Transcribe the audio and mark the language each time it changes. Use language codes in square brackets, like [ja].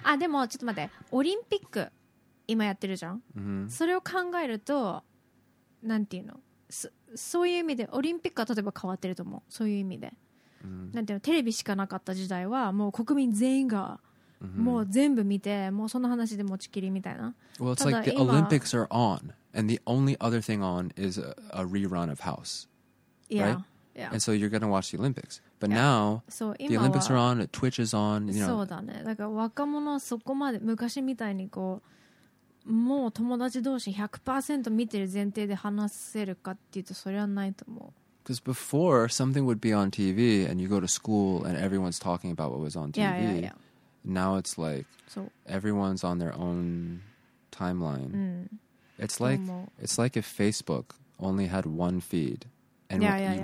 [ja] あ、でもちょっと待って。オリンピック今やってるじゃん。 [en] Mm-hmm. [ja] それを考えると、なんていうの、そういう意味でオリンピックは例えば変わってると思う。そういう意味で、 [en] mm-hmm. [ja] なんていうの、テレビしかなかった時代はもう国民全員がもう全部見て、mm-hmm. もうその話で持ちきりみたいな。 [en] Well, it's like the Olympics are on, and the only other thing on is a rerun of House, yeah. right? Yeah. And so you're going to watch the Olympics. But、yeah. now, so, the Olympics are on, Twitch is on. You know. [ja] そうだね。だから若者はそこまで昔みたいにこう、もう友達同士 100% 見てる前提で話せるかっていうと、それはないと思う。 [en] Because before, something would be on TV, and you go to school, and everyone's talking about what was on TV. Yeah, yeah, yeah. Now it's like, so, everyone's on their own timeline.、 Mm. It's like if Facebook only had one feed. And yeah, yeah, yeah.